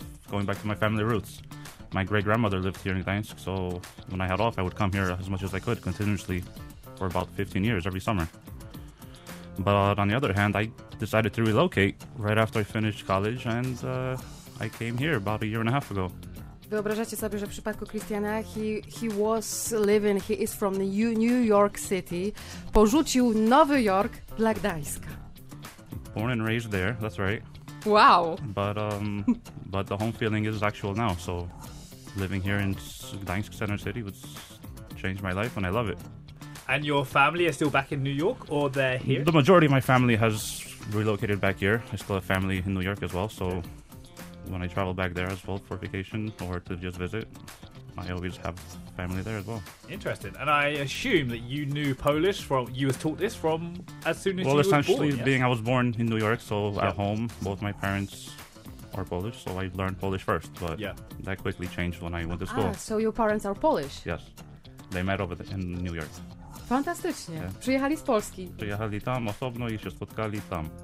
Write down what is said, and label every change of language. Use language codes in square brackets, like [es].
[en] Going back to my family roots. My great-grandmother lived here in Gdańsk, so when I had off, I would come here as much as I could continuously for about 15 years every summer. But on the other hand, I decided to relocate right after I finished college and... I came here about a year and a half ago. [pl] Wyobrażacie sobie, że w przypadku Christiana [en] he is from New York City, [pl] porzucił Nowy Jork dla Gdańska. [en] Born and raised there, that's right. Wow. But but the home feeling is actual now, so living here in Gdańsk Center City would change my life and I love it. And your family is still back in New York or they're here? The majority of my family has relocated back here. I still have family in New York as well, so... When I travel back there as well for vacation or to just visit, I always have family there as well. Interesting. And I assume that you knew Polish from, you were taught this from as soon as well, you were born. Well, essentially, being I was born in New York, so yeah. At home, both my parents are Polish, so I learned Polish first. But yeah. That quickly changed when I went to school. So your parents are Polish? Yes. They met over in New York. [pl] Fantastycznie. Yeah. Przyjechali z Polski. Przyjechali tam osobno i się spotkali tam.